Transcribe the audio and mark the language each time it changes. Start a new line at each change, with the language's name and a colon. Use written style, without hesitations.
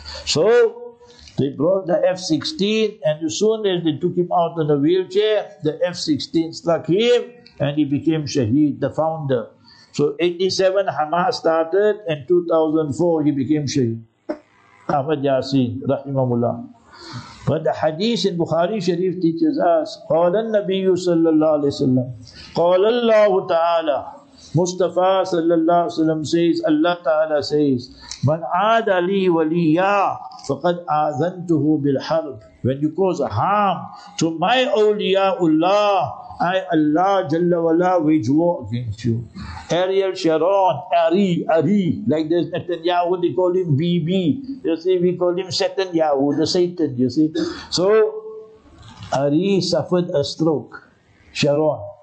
English: So they brought the F-16 and as soon as they took him out on the wheelchair, the F-16 struck him and he became Shaheed, the founder. So 87 Hamas started and 2004 he became Shaheed. Ahmad Yasin, Rahimahullah.
Arabic: But the hadith in Bukhari Sharif teaches us, قال النبي صلى الله عليه وسلم قال الله تعالى Mustafa صلى الله عليه وسلم
English: says, Allah Ta'ala says,
Arabic: من عاد لي وليا فقد آذنته بالحرب.
English: When you cause harm to my awliya Allah, I Allah Jalla Wala wage war against you. Ariel Sharon, Ari, like this Netanyahu, they call him BB. You see, we call him Satanyahu, the Satan, you see. So, Ari suffered a stroke, Sharon.